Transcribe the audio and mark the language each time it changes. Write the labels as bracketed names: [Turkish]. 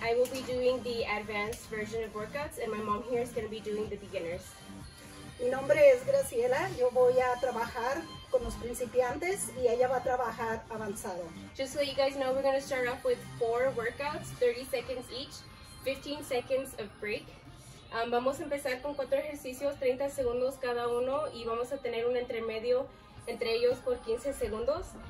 [English] I will be doing the advanced version of workouts, and my mom here is going to be doing the beginners. [Spanish] Mi nombre es Graciela. Yo voy a trabajar con los principiantes y ella va a trabajar avanzado. [English] Just so you guys know, we're going to start off with 4 workouts, 30 seconds each, 15 seconds of break. [Spanish] Vamos a empezar con 4 ejercicios, 30 segundos cada uno, y vamos a tener un entremedio entre ellos por 15 segundos.